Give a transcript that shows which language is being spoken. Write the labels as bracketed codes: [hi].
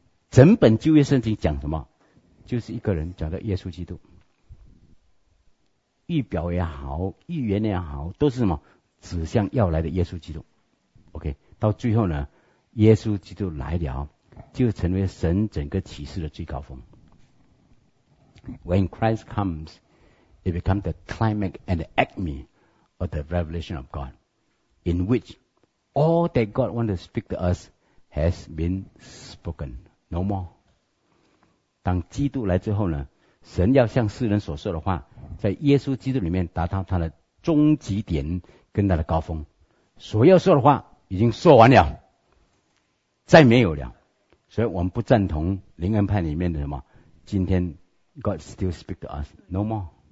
[zh] 整本旧约圣经讲什么？就是一个人讲到耶稣基督，预表也好，预言也好，都是什么？指向要来的耶稣基督。OK， 到最后呢，耶稣基督来了，就成为神整个启示的最高峰。 [en] When Christ comes. It becomes the climax and the acme of the revelation of God, in which all that God wants to speak to us has been spoken. No more. [zh] 当基督来之后呢，神要向世人所说的话，在耶稣基督里面达到他的终极点跟他的高峰，所要说的话已经说完了，再没有了。所以我们不赞同灵恩派里面的什么，今天 [en] God still speak to us, no more.